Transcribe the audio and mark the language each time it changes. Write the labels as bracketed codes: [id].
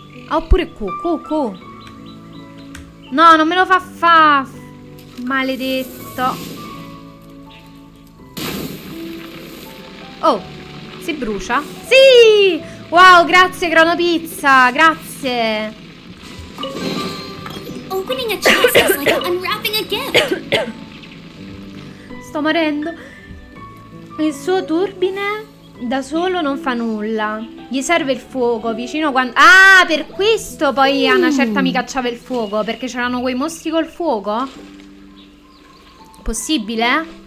[it] Oppure Q, Q, Q. No, non me lo fa fa. Maledetto. Oh, si brucia? Sì! Wow, grazie Crono Pizza, grazie. [en] Opening a chest is like unwrapping a gift. [it] Sto morendo. Il suo turbine da solo non fa nulla. Gli serve il fuoco vicino quando... Ah, per questo poi a una certa mi cacciava il fuoco. Perché c'erano quei mostri col fuoco? Possibile?